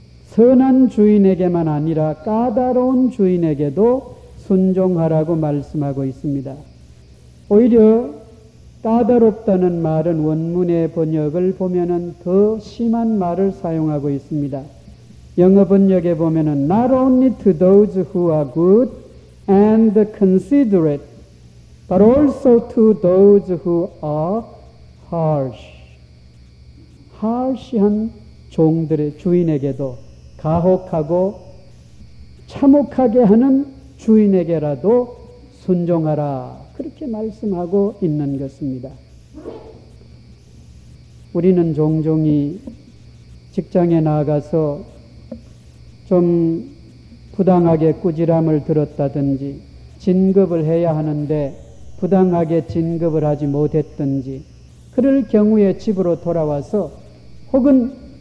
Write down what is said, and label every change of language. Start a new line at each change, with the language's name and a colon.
Korean: 선한 주인에게만 아니라 까다로운 주인에게도 순종하라고 말씀하고 있습니다. 오히려 까다롭다는 말은 원문의 번역을 보면은 더 심한 말을 사용하고 있습니다. 영어 번역에 보면은
English: not only to those who are good and considerate, but also to those who are harsh.
Korean: harsh한 종들의 주인에게도 가혹하고 참혹하게 하는 주인에게라도 순종하라. 그렇게 말씀하고 있는 것입니다. 우리는 종종이 직장에 나가서 좀 부당하게 꾸지람을 들었다든지 진급을 해야 하는데 부당하게 진급을 하지 못했든지 그럴 경우에 집으로 돌아와서 혹은